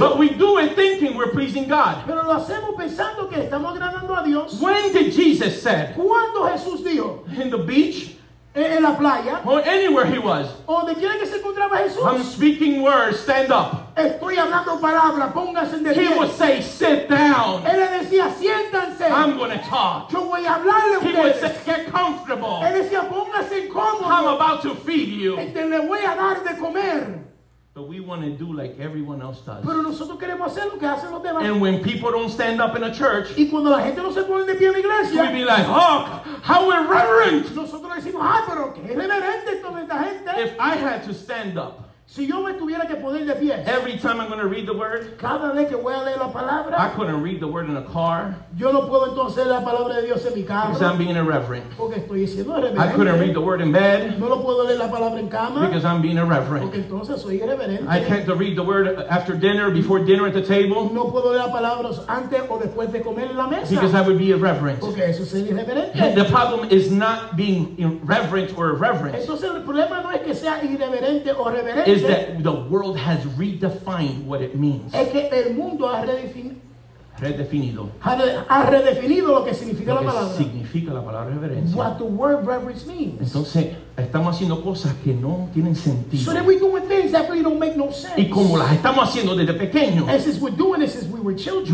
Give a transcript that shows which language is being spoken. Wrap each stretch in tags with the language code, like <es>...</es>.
<en>But we do it thinking we're pleasing God.</en> <es>Pero lo hacemos pensando que estamos agradando a Dios.</es> <en>When did Jesus say?</en> <es>¿Cuándo Jesús dijo?</es> <en>In the beach.</en> <es>En la playa.</es> <en>Or anywhere he was.</en> <es>O donde quiera que se encontraba Jesús.</es> <en>I'm speaking words, stand up.</en> <es>Estoy hablando palabras, póngase de pie.</es> <en>He would say, sit down.</en> <es>Él le decía, siéntanse.</es> <en>I'm going to talk.</en> <es>Yo voy a hablarle a ustedes.</es> <en>He would say, get comfortable.</en> <es>Él decía, póngase cómodo.</es> <en>I'm about to feed you.</en> <es>Le voy a dar de comer.</es> <en>But we want to do like everyone else does.</en> <es>Pero nosotros queremos hacer lo que hacen los demás.</es> <en>And when people don't stand up in a church,</en> <es>y cuando la gente no se pone de pie en la iglesia,</es> <en>we be like, oh, how irreverent.</en> <es>Nosotros decimos, ah, pero qué irreverente toda esta gente.</es> <en>If I had to stand up,</en> <es>Si yo me tuviera que poner de pie,</es> <en>every time I'm going to read the word,</en> <es>cada vez que voy a leer la palabra,</es> <en>I couldn't read the word in a car.</en> <es>Yo no puedo entonces leer la palabra de Dios en mi carro,</es> <en>because I'm being irreverent.</en> <es>Porque estoy siendo irreverente.</es> <en>I couldn't read the word in bed,</en> <es>no lo puedo leer la palabra en cama,</es> <en>because I'm being irreverent.</en> <es>Porque entonces soy irreverente.</es> <en>I can't read the word after dinner, before dinner at the table,</en> <es>no puedo leer la palabra antes o después de comer en la mesa,</es> <en>because I would be irreverent.</en> <es>Porque eso sería irreverente.</es> <en>The problem is not being irreverent or irreverent.</en> <es>Entonces el problema no es que sea irreverente o reverente.</es> <en>Is that the world has redefined what it means.</en> <es>Es que el mundo ha redefinido. Ha redefinido lo que significa la palabra. Lo que significa la palabra reverencia.</es> <en>What the word reverence means.</en> <es>Entonces, estamos haciendo cosas que no tienen sentido.</es> <en>So then we're doing things that really don't make no sense.</en> <es>Y como las estamos haciendo desde pequeños.</es> <en>And since we're doing it since we were children.</en>